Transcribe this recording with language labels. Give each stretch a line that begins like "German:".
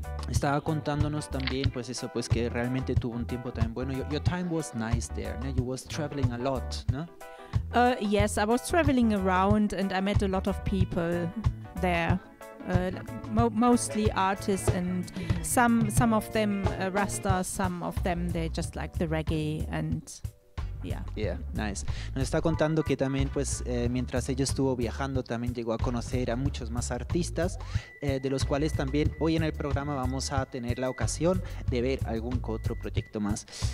Spanish: Estaba contándonos también pues eso, pues que realmente tuvo un tiempo también bueno.
English: Your time was nice there, ¿no? You was traveling a lot, ¿no? Yes, I was traveling around and I met a lot of people there, mostly artists and some of them Rasta, some of them they just like the reggae and Yeah, nice.
Spanish: Nos está contando que también pues mientras ella estuvo viajando también llegó a conocer a muchos más artistas, de los cuales también hoy en el programa vamos a tener la ocasión de ver algún otro proyecto más.